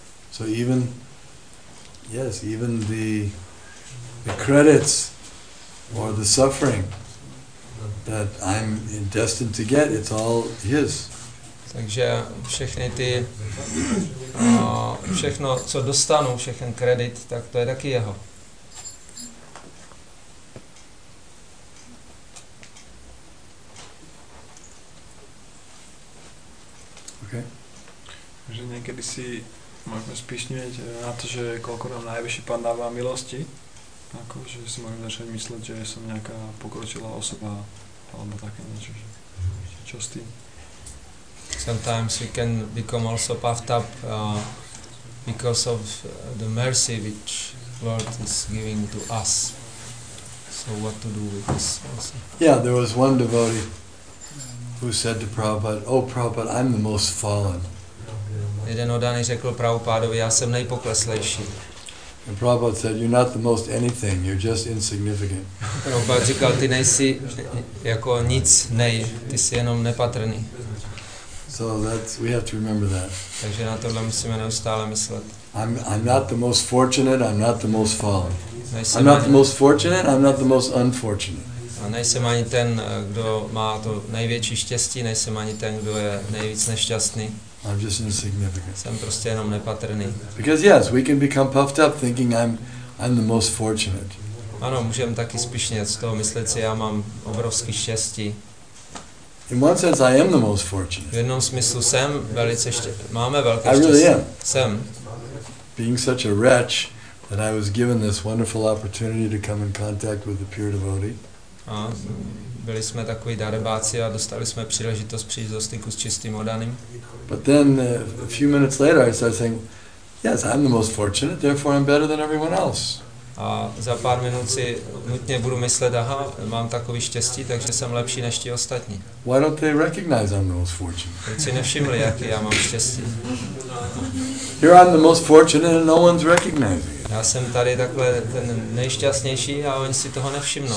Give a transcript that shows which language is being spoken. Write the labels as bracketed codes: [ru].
[en] So even the credits or the suffering that I'm destined to get, it's all his. [cs] Takže všechny ty všechno, co dostanu, všechen kredit, tak to je taky jeho. [en] Okay. [cs] Takže někdy si můžeme spíšnit na to, že kolko nám nejvyšší pán dává milosti, jako, že si můžeme začít myslet, že jsem nějaká pokročilá osoba, alebo také něco, že čo s tím? [en] Sometimes we can become also puffed up because of the mercy which Lord is giving to us. So what to do with this also? Yeah, there was one devotee who said to Prabhupada, "Oh Prabhupada, I'm the most fallen." [cs] Jeden oddaný řekl Prabhupádovi, já jsem nejpokleslejší. [en] And Prabhupada said, "You're not the most anything, you're just insignificant." [cs] Prabhupada říkal, ty nejsi jako nic, nej, ty jsi jenom nepatrný. [en] So that's, we have to remember that. [cs] Takže na tohle musíme neustále myslet. [en] I'm not the most fortunate, I'm not the most fallen. I'm not the most fortunate, I'm not the most unfortunate. [cs] A nejsem ani ten, kdo má to největší štěstí, nejsem ani ten, kdo je nejvíc nešťastný. [en] I'm just insignificant. [cs] Jsem prostě jenom nepatrný. [en] Because yes, we can become puffed up thinking I'm the most fortunate. [cs] Ano, můžeme taky spíšnět z toho myslet si, já mám obrovský štěstí. [en] In one sense, I am the most fortunate. [cs] V jednom smyslu jsem velice štěstný. Máme velké štěstí. [en] I really am. [cs] Jsem. [en] Being such a wretch that I was given this wonderful opportunity to come in contact with the pure devotee. [cs] A byli jsme takový darebáci a dostali jsme příležitost přijít do styku s čistým oddaným. [en] But then a few minutes later, I started saying, "Yes, I'm the most fortunate. Therefore, I'm better than everyone else." [cs] A za pár minut si nutně budu myslet, aha, mám takový štěstí, takže jsem lepší než ti ostatní. [en] Why don't they recognize I'm the most fortunate? [cs] Proč si nevšimli, jaký já mám štěstí? [en] Here I'm the most fortunate and no one's recognizing it. [cs] Já jsem tady takhle ten nejšťastnější a oni si toho nevšimnou.